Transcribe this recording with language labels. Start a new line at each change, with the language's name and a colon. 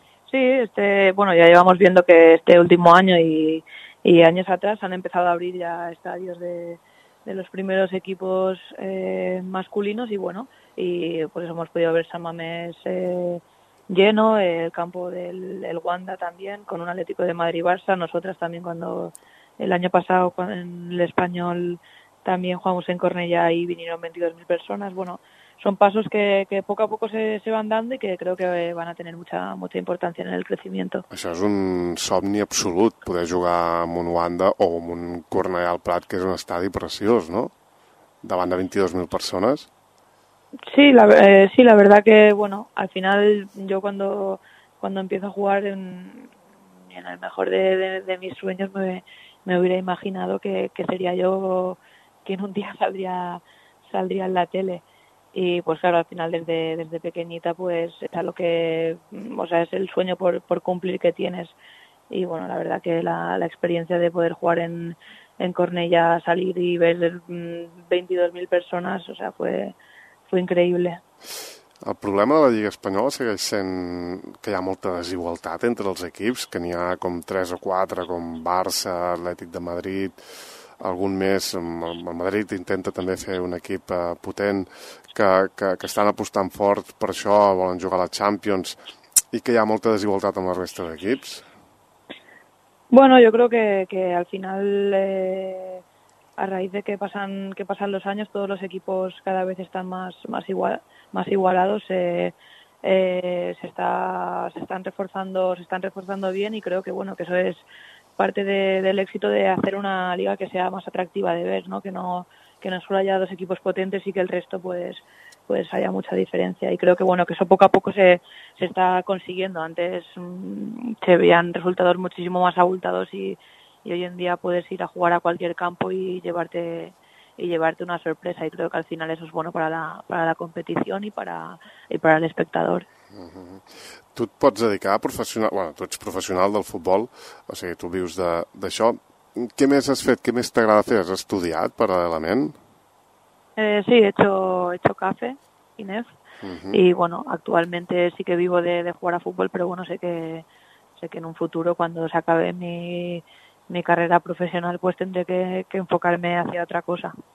Spanish: Sí, bueno, ya llevamos viendo que este último año y años atrás han empezado a abrir ya estadios de los primeros equipos masculinos, y bueno, y por eso hemos podido ver San Mamés lleno, el campo del Wanda también, con un Atlético de Madrid y Barça. Nosotras también, cuando el año pasado en el Español también jugamos en Cornellà y vinieron 22.000 personas. Bueno, son pasos que poco a poco se van dando y que creo que van a tener mucha mucha importancia en el crecimiento.
Catalan: Això és un somni absolut, poder jugar amb un Wanda o amb un Cornellà al Prat, que és un estadi preciós, no? Davant de 22.000 persones.
Spanish: Sí, la verdad que, bueno, al final yo cuando empiezo a jugar en el mejor de mis sueños me hubiera imaginado que sería yo quien un día saldría en la tele. Y pues claro, al final desde pequeñita pues es lo que, o sea, es el sueño por cumplir que tienes. Y bueno, la verdad que la experiencia de poder jugar en Cornellà, salir y ver 22.000 personas, o sea, fue increíble.
Catalan: El problema de la Lliga Espanyola segueix sent que hi ha molta desigualtat entre els equips, que n'hi ha com 3 o 4, com Barça, Atlètic de Madrid, algun més. El Madrid intenta també fer un equip potent, que estan apostant fort per això, volen jugar a la Champions, i que hi ha molta desigualtat amb la resta d'equips.
Spanish: Bueno, yo creo que al final, a raíz de que pasan los años, todos los equipos cada vez están más igualados, se están reforzando bien, y creo que bueno, que eso es parte del éxito de hacer una liga que sea más atractiva de ver, ¿no? Que no solo haya dos equipos potentes y que el resto pues haya mucha diferencia. Y creo que bueno, que eso poco a poco se está consiguiendo. Antes se veían resultados muchísimo más abultados y hoy en día puedes ir a jugar a cualquier campo y llevarte una sorpresa, y creo que al final eso es bueno para la competición y para el espectador.
Catalan: Tu et pots dedicar a professional, bueno, tu ets professional del futbol, o sigui, tu vius d'això. Què més has fet? Què més t'agrada fer? Has estudiat paral·lelament?
Spanish: Sí, he hecho CAFE, INEF, y bueno, actualmente sí que vivo de jugar a futbol, pero bueno, sé que en un futuro, cuando se acabe mi carrera professional, pues tendré que enfocarme hacia otra cosa.